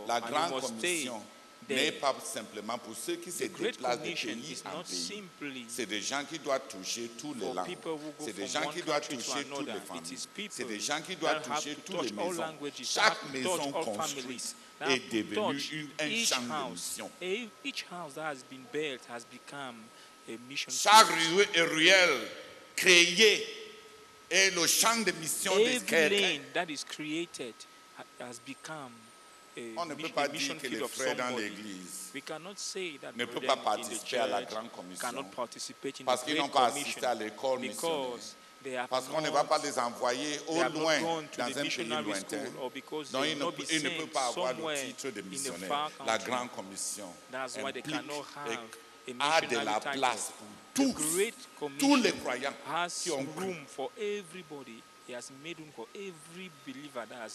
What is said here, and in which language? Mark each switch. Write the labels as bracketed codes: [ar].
[fr] La grande commission n'est pas simplement pour ceux qui se déplacent de pays en pays. C'est des gens qui doivent toucher tous les langues. C'est des gens qui doivent toucher toutes les familles. C'est des gens qui doivent toucher toutes les maisons. Chaque maison construite est devenue un champ de mission. [en] Each house that has been built has become [fr] chaque ruelle créée est le champ de mission de quelqu'un. [en] That is created has become a [fr] on ne peut pas dire que les frères dans l'église [en] we cannot say that [fr] ne peuvent pas participer à la grande commission parce [en] the [fr] qu'ils n'ont pas assisté à l'école missionnaire. Parce qu'on ne va pas les envoyer au loin dans un pays lointain. Donc ils ne peuvent pas avoir le titre de missionnaire. La grande commission implique a de la place pour tous les croyants qui ont cru. [en] For everybody. He has made room for every believer that has